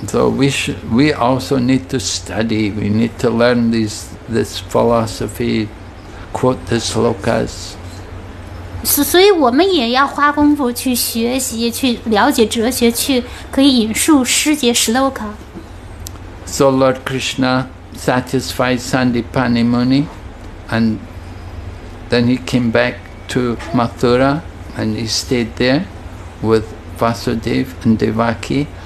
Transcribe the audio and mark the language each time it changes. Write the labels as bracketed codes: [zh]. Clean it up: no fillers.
[en] So we also need to study, we need to learn this philosophy, quote the slokas. [zh] 所以我们也要花功夫去学习，去了解哲学，去可以引述师节石楼卡。 [en] So Lord Krishna satisfied Sandipani Muni, and then he came back to Mathura, and he stayed there with Vasudev and Devaki.